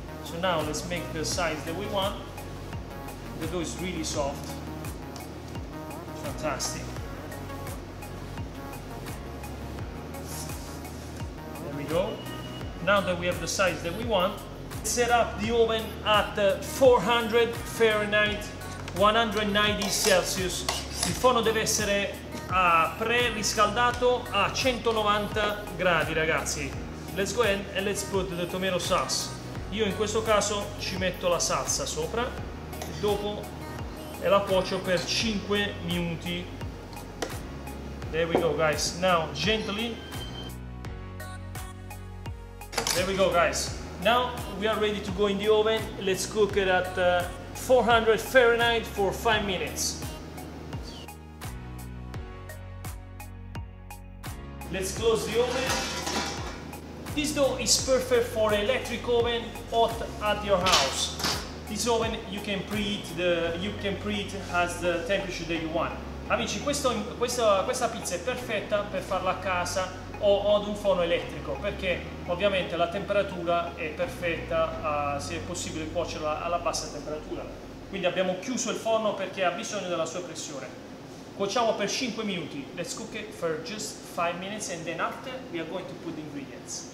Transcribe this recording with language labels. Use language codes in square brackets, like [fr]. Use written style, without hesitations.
[en] So now let's make the size that we want. The dough is really soft. Fantastic. There we go. Now that we have the size that we want, set up the oven at 400 Fahrenheit, 190 Celsius. [it] Il forno deve essere pre-riscaldato a 190 gradi, ragazzi. [en] Let's go ahead and let's put the tomato sauce. [it] Io in questo caso ci metto la salsa sopra, dopo e la cuocio per 5 minuti. [en] There we go, guys. Now, gently. There we go, guys. Now we are ready to go in the oven. Let's cook it at 400 Fahrenheit for 5 minutes. Let's close the oven. This dough is perfect for an electric oven hot at your house. This oven you can preheat as the temperature that you want. [it] Amici, questa pizza è perfetta per farla a casa o ad un forno elettrico, perché ovviamente la temperatura è perfetta, se è possibile cuocerla alla bassa temperatura. Quindi abbiamo chiuso il forno perché ha bisogno della sua pressione. Cuociamo per 5 minuti. [en] Let's cook it for just 5 minutes and then after we are going to put the ingredients.